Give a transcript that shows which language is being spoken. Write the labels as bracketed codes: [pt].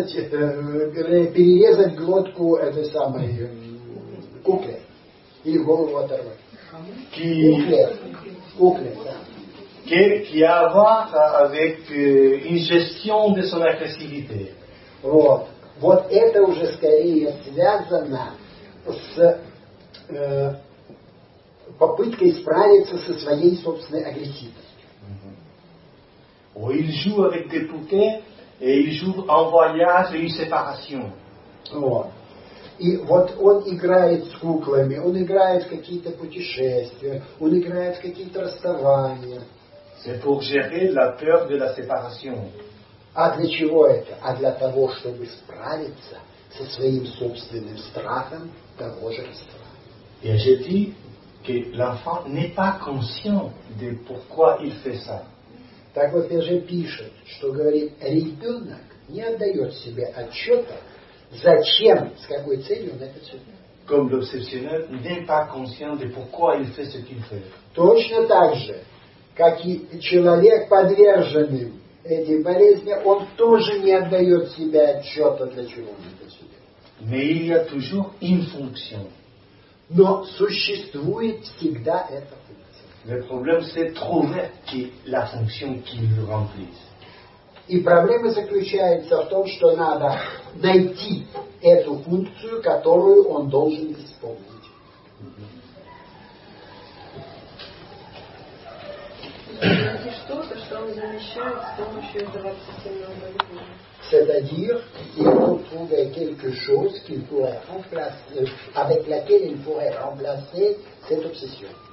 [ru] Перерезать глотку этой самой кукле. Или голову оторвать. Кукле, да. [fr] Qui a à voir avec une gestion de son agressivité. [ru] Вот. Вот это уже скорее связано с попыткой справиться со своей собственной агрессивностью. [fr] Il joue avec des poupées. Et il joue en voyage et une séparation. [ru] Вот. И вот он играет с куклами, он играет в какие-то путешествия, он играет в какие-то расставания. [fr] C'est pour gérer la peur de la séparation. [ru] А для чего это? А для того, чтобы справиться со своим собственным страхом того же расставания. [fr] Et je dis que l'enfant n'est pas conscient de pourquoi il fait ça. [ru] Так вот, Пиаже пишет, что говорит, ребенок не отдает себе отчета, зачем, с какой целью он это все делает. [fr] Comme l'obsessionnel n'est pas conscient de pourquoi il fait ce qu'il fait. [ru] Точно так же, как и человек, подверженный этой болезни, он тоже не отдает себе отчета, для чего он это все делает. [fr] Mais il y a toujours une fonction. [ru] Но существует всегда это. [fr] Le problème, c'est trouver la fonction qui le remplisse. [ru] И проблема заключается в том, что надо найти эту функцию, которую он должен исполнить. Найти что-то, что он замещает с помощью этого обсессивного поведения. [fr] C'est-à-dire, il faut trouver quelque chose qu'il pourrait remplacer, avec laquelle il pourrait remplacer cette obsession.